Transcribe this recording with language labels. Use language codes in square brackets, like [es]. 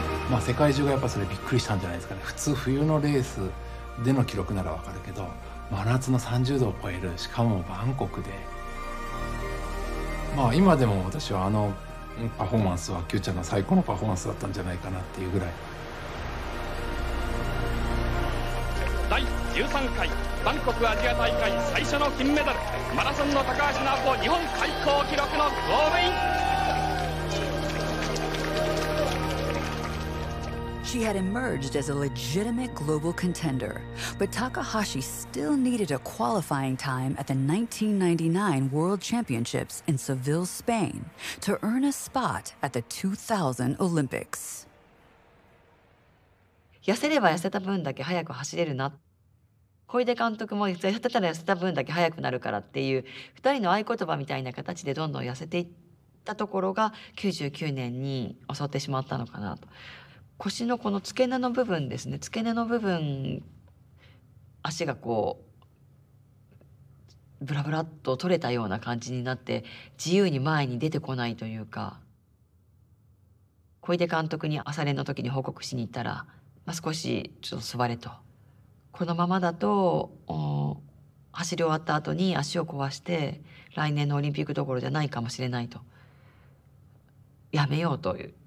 [ja] まあ世界中がやっぱそれびっくりしたんじゃないですかね。普通冬のレースでの記録ならわかるけど、真夏の30度を超える、しかもバンコクで、まあ今でも私はあのパフォーマンスはキューちゃんの最高のパフォーマンスだったんじゃないかなっていうぐらい。第13回バンコクアジア大会最初の金メダル、マラソンの高橋尚子、日本最高記録のゴールイン。 [en] She had emerged as a legitimate global contender, but Takahashi still needed a qualifying time at the 1999 World Championships in Seville, Spain, to earn a spot at the 2000 Olympics. [ja] 痩せれば痩せた分だけ速く走れるな。小出監督も痩せたら痩せた分だけ速くなるからっていう二人の合言葉みたいな形でどんどん痩せていったところが99年に襲ってしまったのかなと。腰のこの付け根の部分ですね、付け根の部分、足がこうブラブラッと取れたような感じになって、自由に前に出てこないというか、小出監督に朝練の時に報告しに行ったら、まあ、少しちょっと座れと、このままだと走り終わった後に足を壊して来年のオリンピックどころじゃないかもしれないと、やめようという。